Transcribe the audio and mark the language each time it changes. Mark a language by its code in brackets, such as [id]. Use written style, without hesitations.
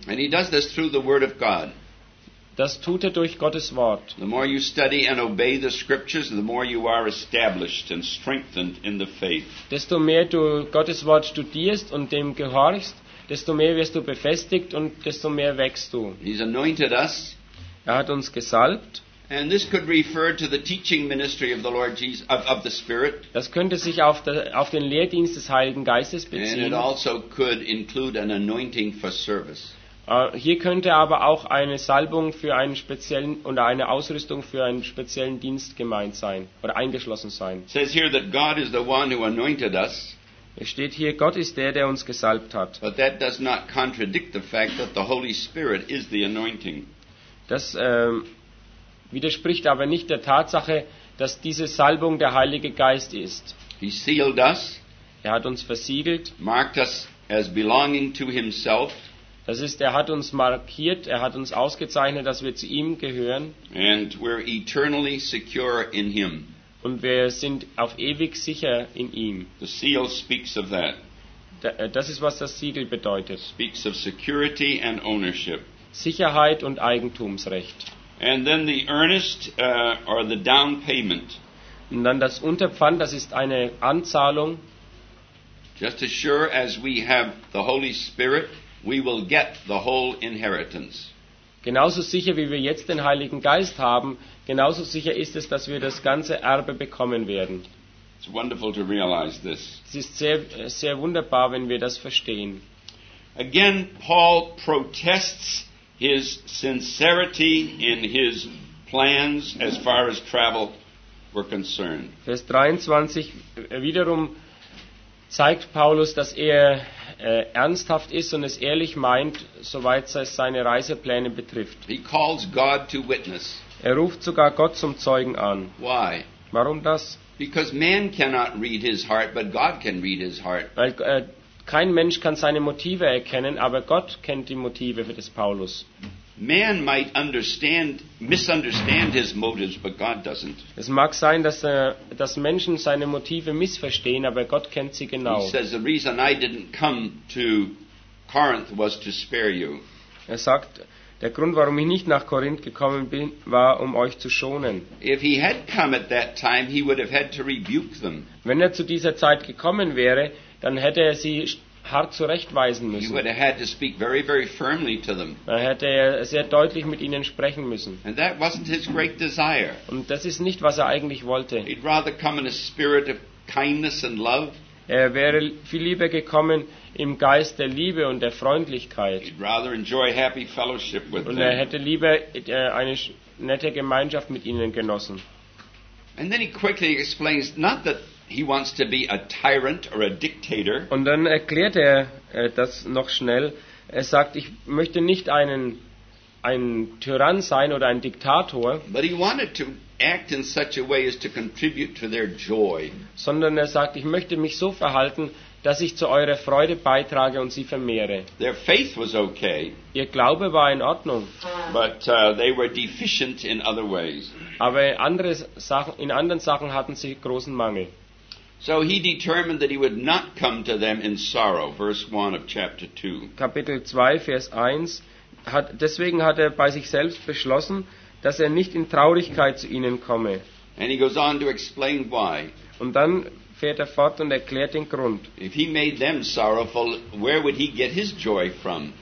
[en] And he does this through the Word of God. [de] Das tut er durch Gottes Wort. [en] The more you study and obey the scriptures, the more you are established and strengthened in the faith. [de] Desto mehr du Gottes Wort studierst und dem gehorchst, desto mehr wirst du befestigt und desto mehr wächst du. [en] He's anointed us. [de] Er hat uns gesalbt. [en] And this could refer to the teaching ministry of the Lord Jesus of the Spirit. [de] Das könnte sich auf den Lehrdienst des Heiligen Geistes beziehen. [en] And it also could include an anointing for service. [de] Hier könnte aber auch eine Salbung für einen speziellen oder eine Ausrüstung für einen speziellen Dienst gemeint sein oder eingeschlossen sein. [en] It says here that God is the one who anointed us. [de] Es steht hier, Gott ist der, der uns gesalbt hat. [en] But that does not contradict the fact that the Holy Spirit is the anointing. [de] Das widerspricht aber nicht der Tatsache, dass diese Salbung der Heilige Geist ist. [en] He sealed us, [de] er hat uns versiegelt, [en] marked us as belonging to himself, [de] das ist, er hat uns markiert, er hat uns ausgezeichnet, dass wir zu ihm gehören, [en] and we're eternally secure in him. [de] Und wir sind auf ewig sicher in ihm. [en] The seal speaks of that. [de] Das ist, was das Siegel bedeutet. [en] Speaks of security and ownership. [de] Sicherheit und Eigentumsrecht. [en] And then the earnest, or the down payment. [de] Und dann das Unterpfand, das ist eine Anzahlung. [en] Just as sure as we have the Holy Spirit, we will get the whole inheritance. [de] Genauso sicher wie wir jetzt den Heiligen Geist haben, genauso sicher ist es, dass wir das ganze Erbe bekommen werden. [en] It's wonderful to realize this. [de] Es ist sehr, sehr wunderbar, wenn wir das verstehen. [en] Again, Paul protests his sincerity in his plans as far as travel were concerned. [de] Vers 23, wiederum zeigt Paulus, dass er ernsthaft ist und es ehrlich meint, soweit es seine Reisepläne betrifft. [en] He calls God to witness. [de] Er ruft sogar Gott zum Zeugen an. [en] Why? [de] Warum das? [en] Because man cannot read his heart, but God can read his heart. [de] Weil kein Mensch kann seine Motive erkennen, aber Gott kennt die Motive des Paulus. [en] Man might understand, misunderstand his motives, but God doesn't. [de] Es mag sein, dass Menschen seine Motive missverstehen, aber Gott kennt sie genau. [en] He says, the reason I didn't come to Corinth was to spare you. [de] Er sagt, der Grund, warum ich nicht nach Korinth gekommen bin, war, um euch zu schonen. [en] If he had come at that time, he would have had to rebuke them. [de] Wenn er zu dieser Zeit gekommen wäre, dann hätte er sie hart zurechtweisen müssen. [en] He would have had to speak very, very firmly to them. [de] Dann hätte er sehr deutlich mit ihnen sprechen müssen. [en] And that wasn't his great desire. [de] Und das ist nicht, was er eigentlich wollte. [en] He'd rather come in a spirit of kindness and love. [de] Er wäre viel lieber gekommen im Geist der Liebe und der Freundlichkeit. [en] He'd rather enjoy happy fellowship with [de] und er hätte lieber eine nette Gemeinschaft mit ihnen genossen. [en] And then he quickly explains, not that he wants to be a tyrant or a dictator. [de] Und dann erklärt er das noch schnell. Er sagt, ich möchte nicht ein Tyrann sein oder ein Diktator. [en] But he wanted to act in such a way as to contribute to their joy. [de] Sondern er sagt, ich möchte mich so verhalten, dass ich zu eurer Freude beitrage und sie vermehre. [en] Their faith was okay. [de] Ihr Glaube war in Ordnung. [en] But they were deficient in other ways. [de] Aber in anderen Sachen hatten sie großen Mangel. [en] So he determined that he would not come to them in sorrow. Verse 1 of chapter 2. [de] Kapitel 2, Vers 1. Deswegen hat er bei sich selbst beschlossen, dass er nicht in Traurigkeit zu ihnen komme. [en] And he goes on to explain why. [de] Und dann fährt er fort und erklärt den Grund. [en] If he made them sorrowful, where would he get his joy from?